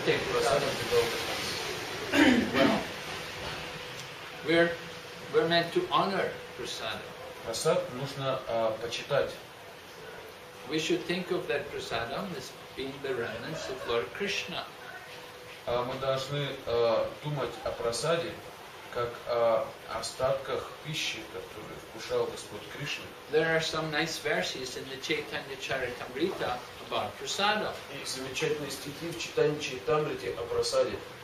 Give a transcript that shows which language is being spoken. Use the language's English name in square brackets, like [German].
[English] take prasadam without offenses. Well, We're meant to honor prasada. [Russian] Prasad нужно почитать. [English] We should think of that prasadam as being the remnants of Lord Krishna. [Russian] Мы должны думать о прасаде как о остатках пищи, которую вкушал Господь Кришна. [English] There are some nice verses in the Chaitanya Charitamrita about prasada. [Russian] И замечательные стихи в Чайтанья Чаритамрите о прасаде.